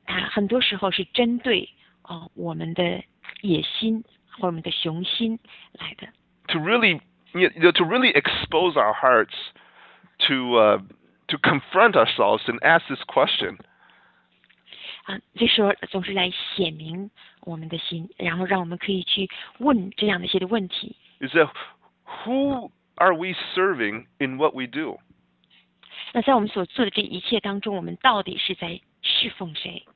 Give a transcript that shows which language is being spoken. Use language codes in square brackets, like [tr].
[zh] 很多时候是针对我们的野心或我们的雄心来的。 [en] To really expose our hearts to confront ourselves and ask this question. [zh] 这时候总是来显明我们的心，然后让我们可以去问这样的一些的问题。 [en] Is that who? Are we serving in what we do? [zh] 那在我们所做的这一切当中，我们到底是在侍奉谁？